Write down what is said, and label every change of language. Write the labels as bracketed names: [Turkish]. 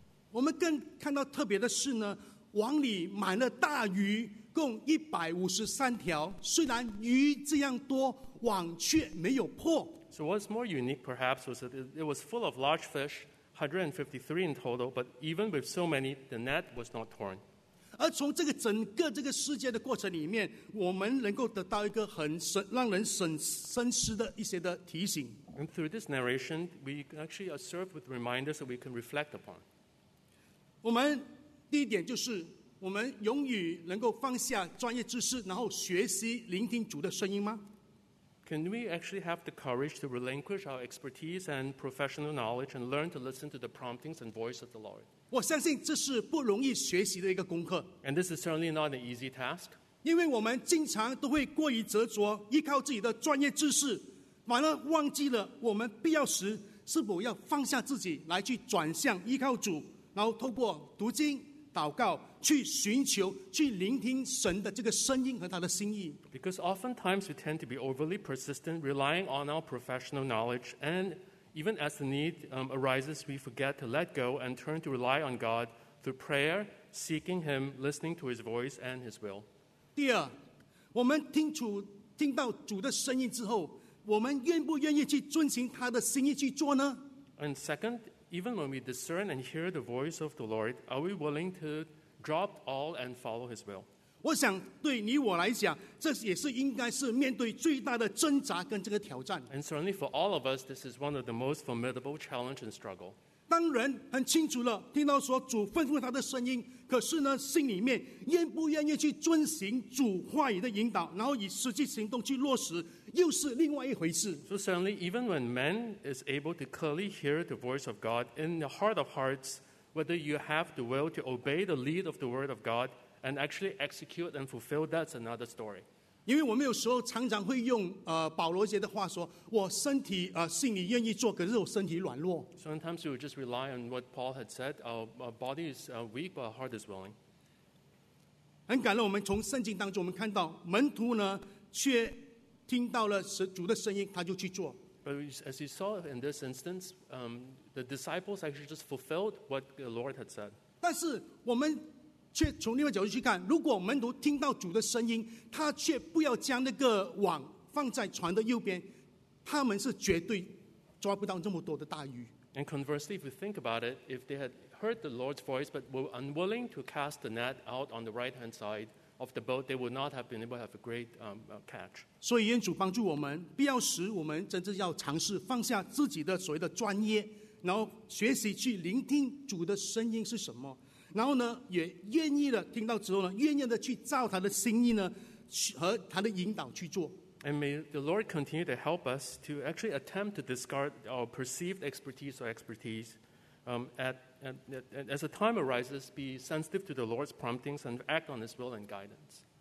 [Chinese] 我们更看到特别的是呢，网里满了大鱼，共153条。虽然鱼这样多，网却没有破。 [English] So what's more unique, perhaps, was that it was full of large fish, 153 in total. But even with so many, the net was not torn. [Chinese] 而从这个整个这个世界的过程里面，我们能够得到一个很让人深思的一些的提醒。 [English] And through this narration, we actually are served with reminders that we can reflect upon. [Chinese] 我们第一点就是我们永远能够放下专业知识然后学习聆听主的声音吗 [English] Can we actually have the courage to relinquish our expertise and professional knowledge and learn to listen to the promptings and voice of the Lord? [Chinese] 我相信这是不容易学习的一个功课 [English] And this is certainly not an easy task. [Chinese] 因为我们经常都会过于执着依靠自己的专业知识反而忘记了我们必要时是否要放下自己来去转向依靠主然后透过读经、祷告去寻求、去聆听神的这个声音和他的心意。 [English] Because oftentimes we tend to be overly persistent, relying on our professional knowledge, and even as the need arises, we forget to let go and turn to rely on God through prayer, seeking Him, listening to His voice and His will. [Chinese] 第二，我们听到主的声音之后，我们愿不愿意去遵循他的心意去做呢 [English] ？And second. Even when we discern and hear the voice of the Lord, are we willing to drop all and follow His will? [Chinese] 我想对你我来讲，这也是应该是面对最大的挣扎跟这个挑战。 [English] And certainly for all of us, this is one of the most formidable challenge and struggle. [Chinese] 当人很清楚了听到说主吩咐他的声音，可是呢，心里面愿不愿意去遵行主话语的引导，然后以实际行动去落实。又是另外一回事。 [English] So certainly, even when man is able to clearly hear the voice of God in the heart of hearts, whether you have the will to obey the lead of the word of God and actually execute and fulfill, that's another story. [Chinese] 因为我们有时候常常会用保罗节的话说，我身体心里愿意做，可是我身体软弱。 [English] Sometimes we just rely on what Paul had said. Our body is weak, but our heart is willing. [Chinese] 很感恩我们从圣经当中我们看到门徒呢却。听到了主的声音，他就去做。 [English] But as you saw in this instance, the disciples actually just fulfilled what the Lord had said. [Chinese] 但是我们却从另外角度去看，如果门徒听到主的声音，他却不要将那个网放在船的右边，他们是绝对抓不到这么多的大鱼。 [English] And conversely, if you think about it, if they had heard the Lord's voice but were unwilling to cast the net out on the right-hand side. Of the boat, they would not have been able to have a great catch. [Chinese] 所以愿主帮助我们，必要时我们真正要尝试放下自己的所谓的专业，然后学习去聆听主的声音是什么，然后呢，也愿意的听到之后呢，愿意的去照他的心意呢，和他的引导去做。 [English] And may the Lord continue to help us to actually attempt to discard our perceived expertise or expertise and as the time arises, be sensitive to the Lord's promptings and act on His will and guidance.